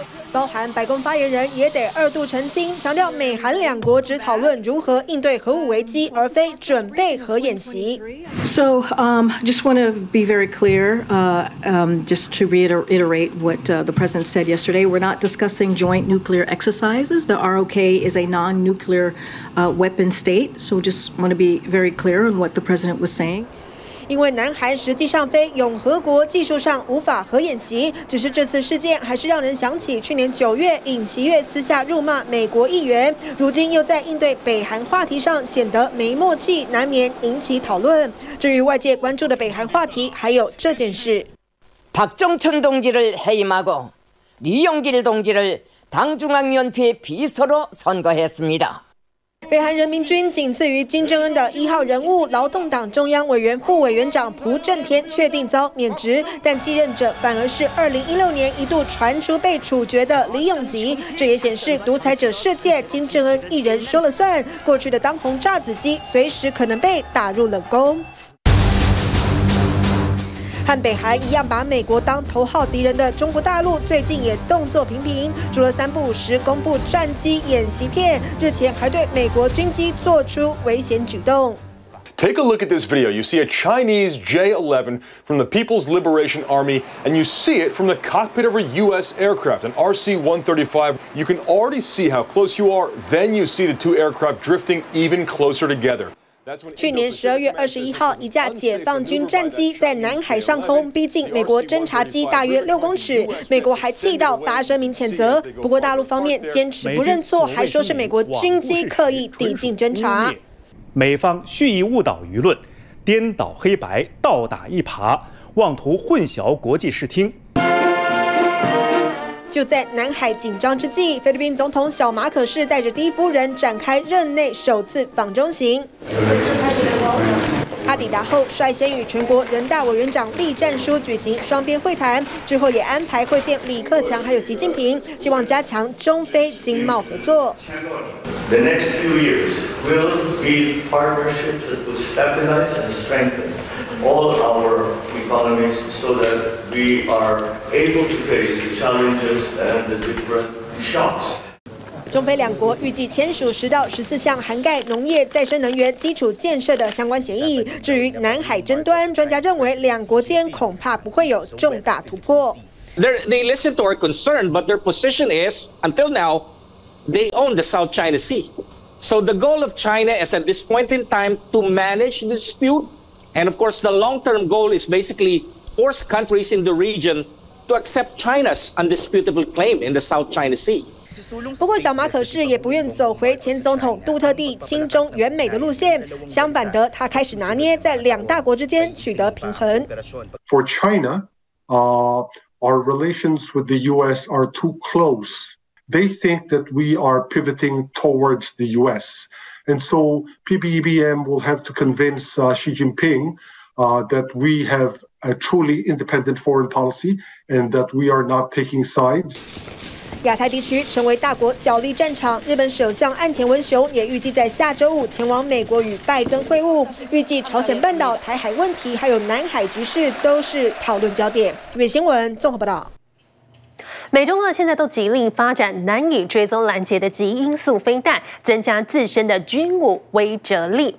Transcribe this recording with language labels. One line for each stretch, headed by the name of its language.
Chinese: 包含白宫发言人也得二度澄清，强调美韩两国只讨论如何应对核武危机，而非准备核演习。
English: So, just want to be very clear, just to reiterate what the president said yesterday. We're not discussing joint nuclear exercises. The ROK is a non-nuclear weapon state. So, just want to be very clear on what the president was saying.
Chinese: 因为南韩实际上非永和国，技术上无法核演习，只是这次事件还是让人想起去年9月尹锡悦私下辱骂美国议员，如今又在应对北韩话题上显得没默契，难免引起讨论。至于外界关注的北韩话题，还有这件事。
Korean: 박정천동지를해임하고李용길동지를당중앙위원회비서로선거했습니다。
Chinese: 北韩人民军仅次于金正恩的一号人物劳动党中央委员副委员长朴正天确定遭免职，但继任者反而是2016年一度传出被处决的李永吉，这也显示独裁者世界金正恩一人说了算，过去的当红炸子鸡随时可能被打入冷宫。和北韩一样把美国当头号敌人的中国大陆最近也动作频频，除了3不5时公布战机演习片，日前还对美国军机做出危险举动。
English: Take a look at this video. You see a Chinese J-11 from the People's Liberation Army, and you see it from the cockpit of a U.S. aircraft, an RC-135. You can already see how close you are. Then you see the two aircraft drifting even closer together.
Chinese: 去年12月21号，一架解放军战机在南海上空逼近美国侦察机大约6公尺，美国还气到发声明谴责。不过大陆方面坚持不认错，还说是美国军机刻意抵近侦察。美方蓄意误导舆论，颠倒黑白，倒打一耙，妄图混淆国际视听。就在南海紧张之际，菲律宾总统小马可是带着第一夫人展开任内首次访中行。他抵达后率先与全国人大委员长栗战书举行双边会谈，之后也安排会见李克强还有习近平，希望加强中非经贸合作。
English: The next few years will be partnerships that will stabilize and strengthen all our economies so that we are able to face the challenges and the different shocks.
Chinese: 中非两国预计签署10到14项涵盖农业、再生能源、基础建设的相关协议。至于南海争端，专家认为两国间恐怕不会有重大突破。
English: They listen to our concern, but their position is, until now, they own the South China Sea. So the goal of China is at this point in time to manage the dispute. And of course, the long-term goal is basically force countries in the region to accept China's undisputable claim in the South China Sea.
Chinese: 不过小马可是也不愿走回前总统杜特地亲中援美的路线，相反的，他开始拿捏在两大国之间取得平衡。
English: For China, our relations with the U.S. are too close. They think that we are pivoting towards the U.S. And so PBBM will have to convince Xi Jinping that we have a truly independent foreign policy and that we are not taking sides.
Chinese: 亚太地区成为大国角力战场，日本首相岸田文雄也预计在下周五前往美国与拜登会晤，预计朝鲜半岛、台海问题还有南海局势都是讨论焦点。 TVBS新闻综合报道。美中俄现在都极力发展难以追踪拦截的极音速飞弹，增加自身的军武威慑力。